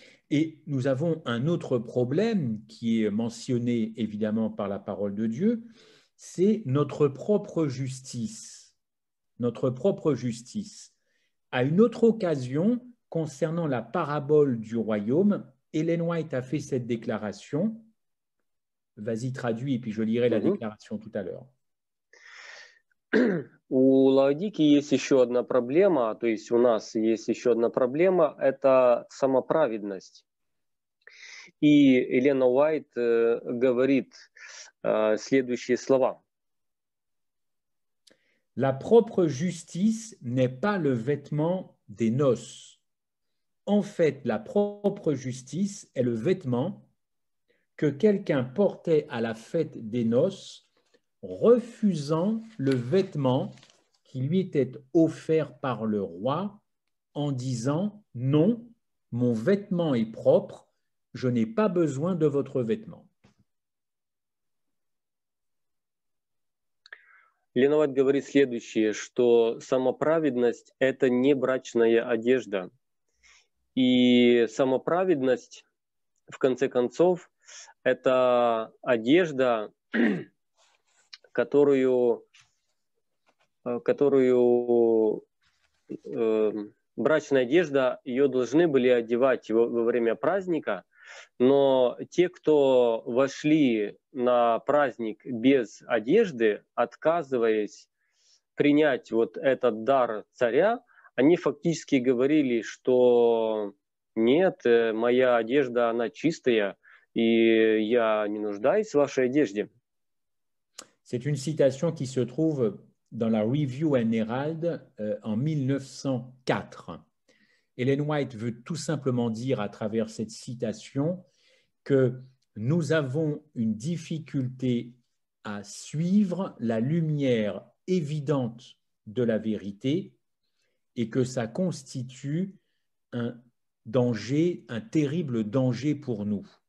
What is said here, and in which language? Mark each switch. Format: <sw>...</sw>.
<fr>Et nous avons un autre problème qui est mentionné évidemment par la parole de Dieu, c'est notre propre justice. Notre propre justice. À une autre occasion, concernant la parabole du royaume, Ellen White a fait cette déclaration. Vas-y, traduis, et puis je lirai la déclaration tout à l'heure.</fr> <ru>У Лаодики есть еще одна проблема, то есть у нас есть еще одна проблема, это самоправедность. И Елена Уайт говорит следующие слова.</ru> <fr>La propre justice n'est pas le vêtement des noces. En fait, la propre justice est le vêtement que quelqu'un portait à la fête des noces, refusant le vêtement qui lui était offert par le roi en disant « Non, mon vêtement est propre, je n'ai pas besoin de votre vêtement. »</fr> <ru>Елена Уайт говорит следующее, что самоправедность – это не брачная одежда. И самоправедность, в конце концов, это одежда, которую брачная одежда, ее должны были одевать во время праздника, но те, кто вошли на праздник без одежды, отказываясь принять вот этот дар царя, они фактически говорили, что нет, моя одежда, она чистая, и я не нуждаюсь в вашей одежде.</ru> <fr>C'est une citation qui se trouve dans la Review and Herald en 1904. Ellen White veut tout simplement dire à travers cette citation que nous avons une difficulté à suivre la lumière évidente de la vérité et que ça constitue un danger, un terrible danger pour nous.</fr>